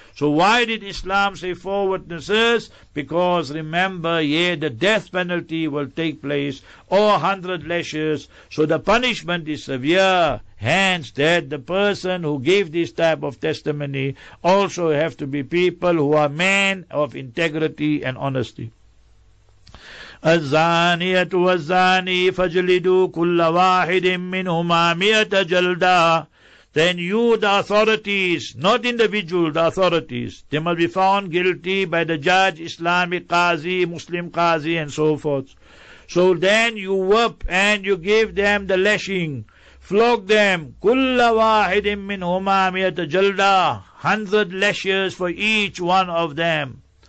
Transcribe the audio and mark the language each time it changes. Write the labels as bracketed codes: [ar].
[en] So why did Islam say four witnesses? Because remember, yeah, the death penalty will take place, or 100 lashes. So the punishment is severe. Hence, that the person who gave this type of testimony also have to be people who are men of integrity and honesty. [ar] الزانية والزاني فجلدوا كل واحد منهما مئة جلدة. [en] Then you, the authorities, not individual, the authorities, they must be found guilty by the judge, Islamic Qazi, Muslim Qazi, and so forth. So then you whip and you give them the lashing, flog them, [ar] كل واحد منهما مئة جلدة, [en] 100 lashes for each one of them.